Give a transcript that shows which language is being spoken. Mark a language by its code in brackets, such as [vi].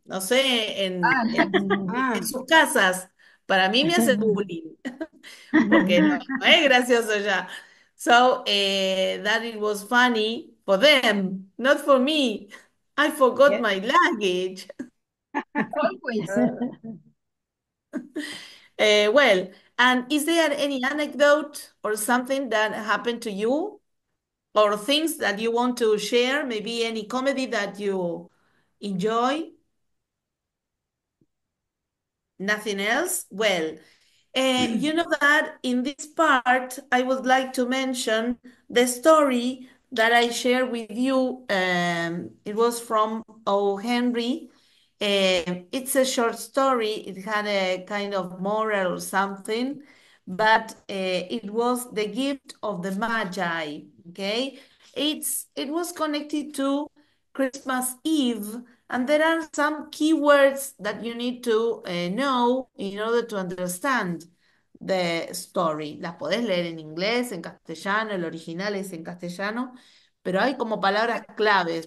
[es] No sé, en sus casas, para mí me hace bullying, porque no, no es gracioso ya. [en] So that it was funny for them, not for me. I forgot my luggage. Well, and is there any anecdote or something that happened to you, or things that you want to share? Maybe any comedy that you enjoy? Nothing else? Well, you know that in this part, I would like to mention the story that I share with you. It was from O. Henry. It's a short story. It had a kind of moral or something, but it was the gift of the Magi. Okay, it was connected to Christmas Eve, and there are some keywords that you need to know in order to understand the story. [es] Las podés leer en inglés, en castellano, el original es en castellano, pero hay como palabras claves.